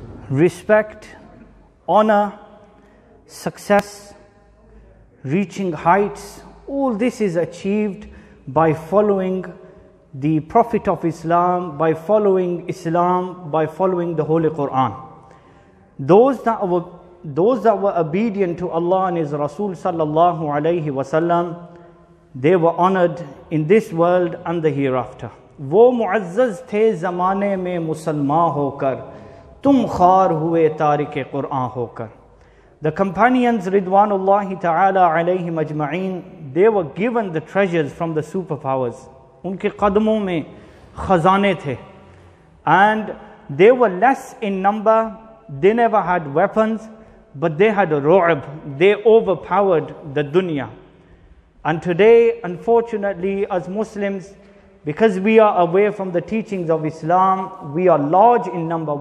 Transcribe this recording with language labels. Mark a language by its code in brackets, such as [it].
[en] respect, honor, success, reaching heights, all this is achieved by following the Prophet of Islam, by following Islam, by following the Holy Quran. Those that were obedient to Allah and His Rasul sallallahu alayhi wa sallam, they were honored in this world and the hereafter. [ur] وہ معزز تھے زمانے میں مسلمان ہو کر تم خار ہوئے تارک قرآن ہو کر. [en] The companions رضوان اللہ تعالی علیہم اجمعین, they were given the treasures from the superpowers. [ur] ان کے قدموں میں خزانے تھے. [en] And they were less in number, they never had weapons, but they had a رعب, they overpowered the دنیا. And today, unfortunately, as Muslims, because we are away from the teachings of Islam, we are large in number.